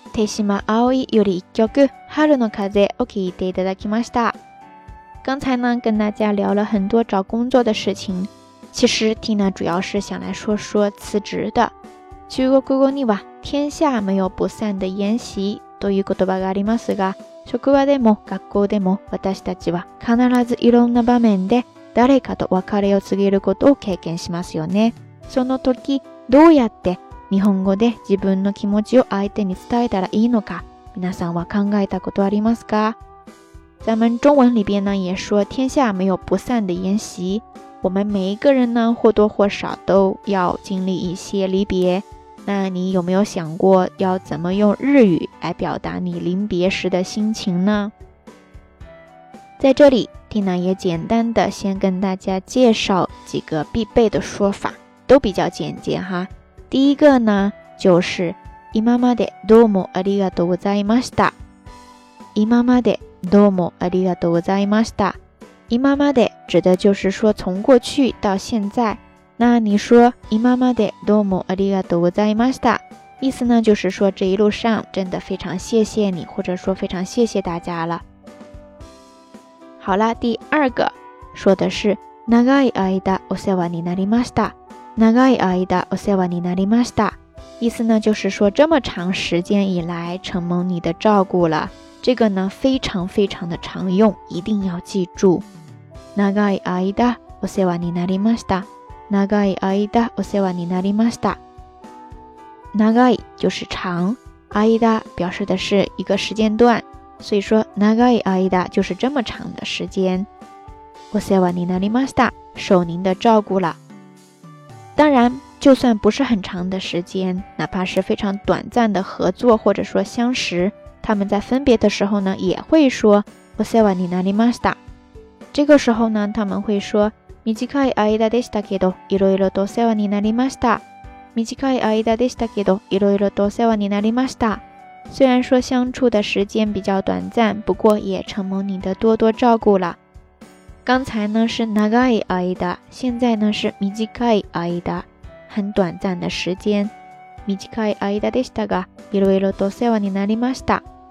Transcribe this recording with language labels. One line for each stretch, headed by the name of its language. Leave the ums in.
Japanese: 手島葵より一曲春の風を聞いていただきました。
Chinese: 刚才呢，跟大家聊了很多找工作的事情。其实 t i n 主要是想来说说辞职的。
Japanese: 中国語には
Chinese: 天下没有不散的宴席
Japanese: という言葉がありますが、職場でも学校でも私たちは必ずいろんな場面で誰かと別れを告げることを経験しますよね。その時、どうやって日本语で自分の気持ちを相手に伝えたらいいのか、みなさんは考えたことありますか？
Chinese: 咱们中文里边呢，呢也说：“天下没有不散的筵席。 ”我们每一个人呢，或多或少都要经历一些离别。那你有没有想过要怎么用日语来表达你临别时的心情呢？在这里，蒂娜也简单的先跟大家介绍几个必备的说法，都比较简洁哈。第一个呢，就是
Japanese: “今までどうもありがとうございました”。 “今までどうもありがとうございました”。
Chinese: “今まで”指的就是说从过去到现在。那你说
Japanese: “今までどうもありがとうございました”，
Chinese: 意思呢就是说这一路上真的非常谢谢你，或者说非常谢谢大家了。好了，第二个说的是
Japanese: “長い間お世話になりました”。長い間お世話になりました。
Chinese: 意思呢，就是说这么长时间以来，承蒙你的照顾了。这个呢，非常非常的常用，一定要记住。
Japanese: 長い間お世話になりました。長い間お世話になりました。
Chinese: 長い就是长，間だ表示的是一个时间段，所以说長い間だ就是这么长的时间。
Japanese: お世話になりました，
Chinese: 受您的照顾了。当然，就算不是很长的时间，哪怕是非常短暂的合作或者说相识，他们在分别的时候呢，也会说
Japanese: “お世話になりました”。
Chinese: 这个时候呢，他们会说
Japanese: “短い間でしたけど、いろいろとお世話になりました”。短い間でしたけど、いろいろとお世話になりました。
Chinese: 虽然说相处的时间比较短暂，不过也承蒙你的多多照顾了。刚才呢是長い間 a 现在呢是短 i 間 a 很短暂的时间。
Japanese: i い間でしたが、いろいろとせわになりました。